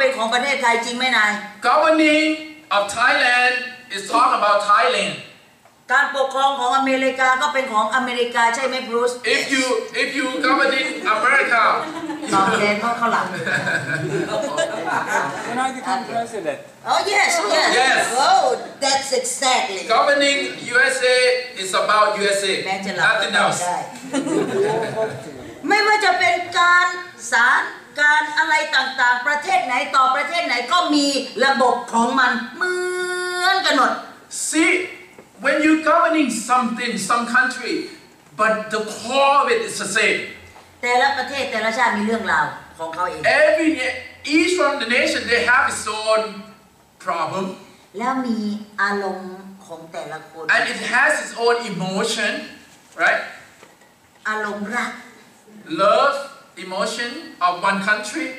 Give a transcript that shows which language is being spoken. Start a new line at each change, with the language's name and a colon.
English: Governing of Thailand is talking about Thailand.
Thai: การปกครองของอเมริกาก็เป็นของอเมริกาใช่ไหมบรูซ
English: If you govern in America
Thai: ตอนแรกเขาหลับ
English: When I become president Oh yes Oh that's exactly Governing USA is about USA Nothing else
Thai: ไม่ว่าจะเป็นการศาลการอะไรต่างๆประเทศไหนต่อประเทศไหนก็มีระบบของมันเหมือนกันหมด
English: SeeWhen you're governing something, some country, but the core of it is the same.
Thai: แต่ละประเทศแต่ละชาติมีเรื่องราวของเขาเอง
English: Every each from the nation they have its own problem.
Thai: แล้วมีอารมณ์ของแต่ละคน
English: And it has its own emotion, right?
Thai: อารมณ์รัก
English: Love emotion of one country.